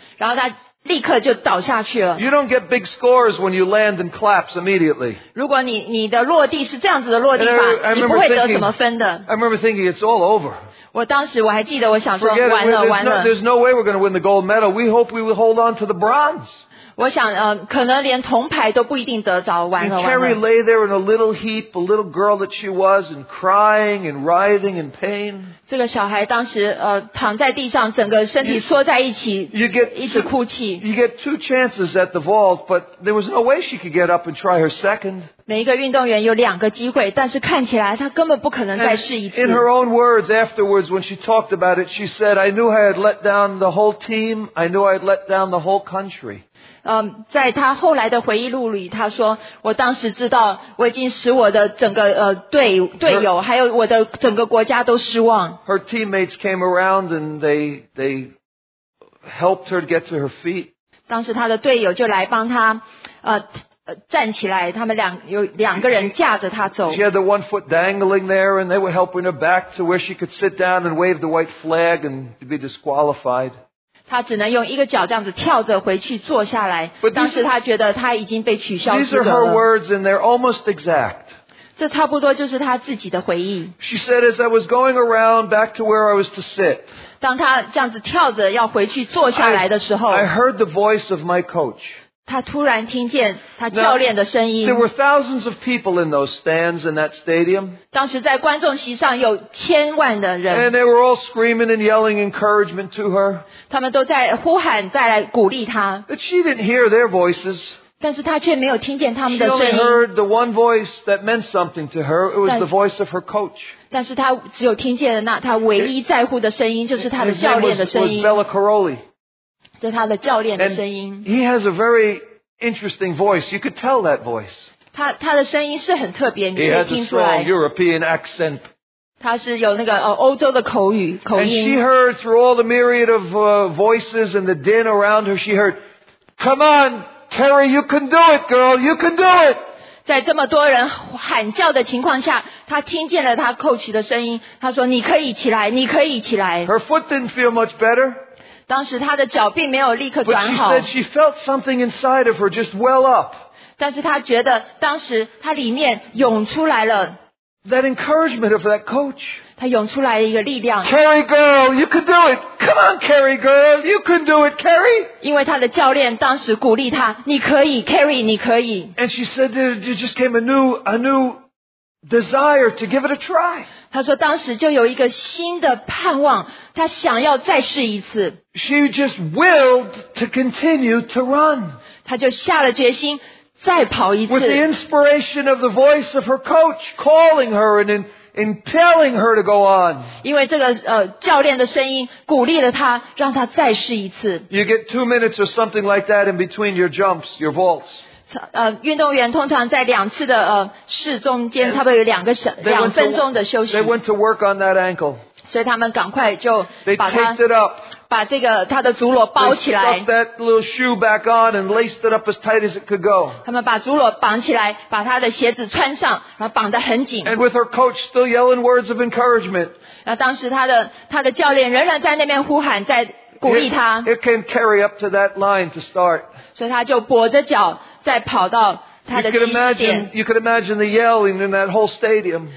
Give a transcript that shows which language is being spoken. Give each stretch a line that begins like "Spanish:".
Chinese: 然后她立刻就倒下去了。
English: You don't get big scores when you land and collapse immediately.
Chinese: 如果你的落地是这样子的落地法，你不会得什么分的。
English: I remember thinking it's all over.
Chinese: 我当时我还记得我想说完了完了。
English: Forget it. There's no way we're going to win the gold medal. We hope we will hold on to the bronze.
Chinese: 我想可能连铜牌都不一定得着，完了完了。
English: And Carrie lay there in a little heap, a little girl that she was, and crying and writhing in pain.
Chinese: 这个小孩当时躺在地上，整个身体缩在一起，
English: you get
Chinese: 一直哭泣。
English: You get two chances at the vault, but there was no way she could get up and try her second.
Chinese: 每一个运动员有两个机会，但是看起来她根本不可能再试一次。
English: And in her own words afterwards, when she talked about it, she said, "I knew I had let down the whole team. I knew I had let down the whole country."
Chinese: 在他后来的回忆录里，他说：“我当时知道，我已经使我的整个队友，还有我的整个国家都失望。”
English: Her teammates came around and they helped her get to her feet.
Chinese: 当时他的队友就来帮他，站起来，他们两有两个人架着他走。
English: She had the one foot dangling there, and they were helping her back to where she could sit down and wave the white flag and be disqualified.
Chinese: 他只能用一个脚这样子跳着回去坐下来，但是他觉得他已经被取消资格了。
English: These are her words, and they're almost exact.
Chinese: 这差不多就是他自己的回忆。
English: She said, as I was going around back to where I was to sit,
Chinese: 当他这样子跳着要回去坐下来的时候
English: I heard the voice of my coach.
Chinese: 他突然听见他教练的声音。
English: Now, there were thousands of people in those stands in that stadium.
Chinese: 当时在观众席上有千万的人。
English: And they were all screaming and yelling encouragement to her.
Chinese: 他们都在呼喊，再来鼓励他。
English: But she didn't hear their voices.
Chinese: 但是他却没有听见他们的声音。
English: She only heard the one voice that meant something to her. It was the voice of her coach.
Chinese: 但是他只有听见了那他唯一在乎的声音，就是他的教练的声音。
English: It was Bella Caroli.
Chinese: 是他的教练的声音。
English: And he has a very interesting voice. You could tell that voice.
Chinese: 他的声音是很特别，你可以听出来。
English: He has a strong European accent.
Chinese: 他是有那个欧洲的口语口音。
English: And she heard through all the myriad of voices and the din around her, she heard, "Come on, Terry, you can do it, girl, you can do it."
Chinese: 在这么多人喊叫的情况下，他听见了他 coach 的声音。他说：“你可以起来，你可以起来。”
English: Her foot didn't feel much better.
Chinese: 当时他的脚并没有立刻转好。
English: But she said she felt something inside of her just well up.
Chinese: 但是他觉得当时他里面涌出来了。
English: That encouragement of that coach.
Chinese: 他涌出来一个力量。
English: Carrie girl, you can do it. Come on, Carrie girl, you can do it, Carrie.
Chinese: 因为他的教练当时鼓励他，你可以 ，Carrie， 你可以。
English: And she said there just came a new desire to give it a try.
Chinese: 他说当时就有一个新的盼望，他想要再试一次。
English: She just willed to continue to run.
Chinese: 他就下了决心。再跑一次。
English: With the inspiration of the voice of her coach calling her and telling her to go on.
Chinese: 因为这个教练的声音鼓励了她，让她再试一次。
English: You get 2 minutes or something like that in between your jumps, your vaults.
Chinese: 运动员通常在两次的试中间，差不多有两分钟的休息。
English: They went to work on that ankle.
Chinese: 所以他们赶快就把它。
English: They taped it up.
Chinese: 把这个他的足裸包起来。
English: They stuck that little shoe back on and laced it up as tight as it could go.
Chinese: 他们把足裸绑起来，把他的鞋子穿上，然后绑得很紧。
English: And with her coach still yelling words of encouragement.
Chinese: 那当时他的教练仍然在那边呼喊，在鼓励他。
English: It can carry up to that line to start.
Chinese: 所以他就跛着脚再跑到他的起始点。
English: You could imagine the yelling in that whole stadium.